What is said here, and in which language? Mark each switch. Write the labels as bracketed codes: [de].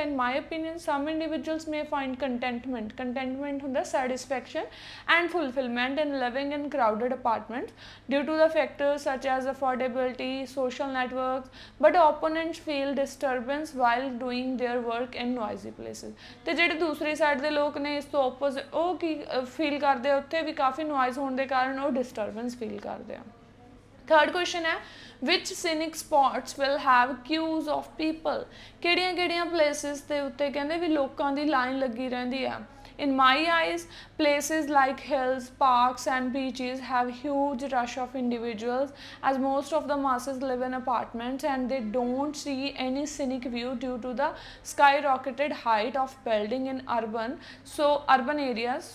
[en] In my opinion, some individuals may find contentment hunda satisfaction and fulfillment in living in crowded apartments due to the factors such as affordability, social networks, but opponents feel disturbance while doing their work in noisy places. [pa] Te jehde dusre side de log ਨੇ ਇਸ ਤੋਂ opposite ਉਹ ਕੀ feel ਕਰਦੇ ਆ, ਉੱਥੇ ਵੀ ਕਾਫੀ noise ਹੋਣ ਦੇ ਕਾਰਨ ਉਹ ਡਿਸਟਰਬੈਂਸ ਫੀਲ ਕਰਦੇ ਆ. [en] Third question ਹੈ, which scenic spots will have queues of people? [pa] ਕਿਹੜੀਆਂ ਕਿਹੜੀਆਂ ਪਲੇਸਿਸ ਦੇ ਉੱਤੇ ਕਹਿੰਦੇ ਵੀ ਲੋਕਾਂ ਦੀ ਲਾਈਨ ਲੱਗੀ ਰਹਿੰਦੀ ਹੈ? [en] In my eyes, places like hills, parks and beaches have huge rush of individuals as most of the masses live in apartments and they don't see any scenic view due to the skyrocketed height of building in urban areas.